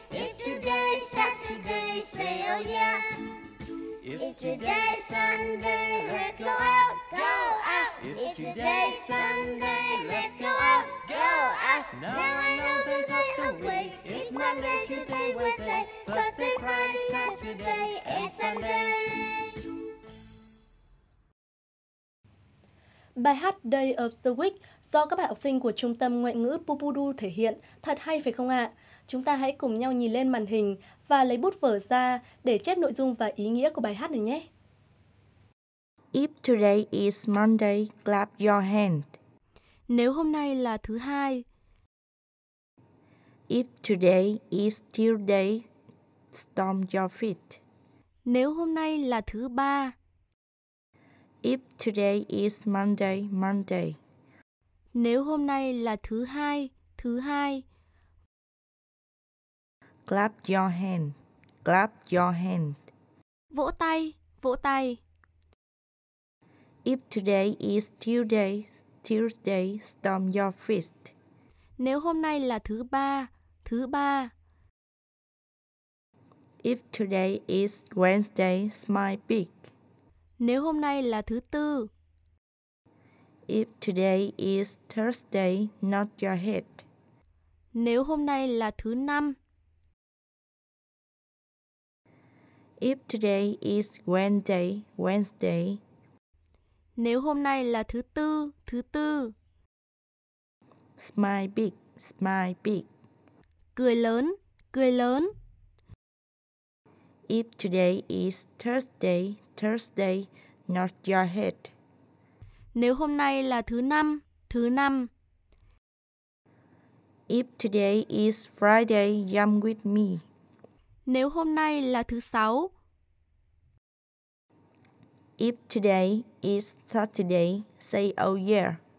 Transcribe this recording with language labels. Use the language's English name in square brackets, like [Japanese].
[English] If today's Saturday, say oh yeah. If today's Sunday, let's go out, go out. If today's Sunday, let's go out, go out. Now I know there's a way. It's Monday, Tuesday, Wednesday, Thursday, Friday, Saturday, and Sunday. [Vietnamese] Bài hát Day of the Week do các bạn học sinh của Trung tâm Ngoại ngữ Pupudu thể hiện thật hay phải không ạ? Chúng ta hãy cùng nhau nhìn lên màn hình và lấy bút vở ra để chép nội dung và ý nghĩa của bài hát này nhé. [English] If today is Monday, clap your hand. [Vietnamese] Nếu hôm nay là thứ hai. [English] If today is Tuesday, stomp your feet. [Vietnamese] Nếu hôm nay là thứ ba. [English] If today is Monday, Monday. [Vietnamese] Nếu hôm nay là thứ hai, thứ hai. [English] Clap your hand, clap your hand. [Vietnamese] Vỗ tay, vỗ tay. [English] If today is Tuesday, Tuesday, stomp your feet. [Vietnamese] Nếu hôm nay là thứ ba, thứ ba. [English] If today is Wednesday, smile big. [Vietnamese] Nếu hôm nay là thứ tư. [English] if today is Thursday, not your head. [Vietnamese] Nếu hôm nay là thứ năm. [English] If today is Wednesday, Wednesday. [Vietnamese] Nếu hôm nay là thứ tư, thứ tư. [English] Smile big, smile big. [Vietnamese] Cười lớn, cười lớn. [English] If today is Thursday, Thursday, not your head. [Vietnamese] Nếu hôm nay là thứ năm, thứ năm. [English] If today is Friday, come with me. [Vietnamese] Nếu hôm nay là thứ sáu. [English] If today is Saturday, say oh yeah.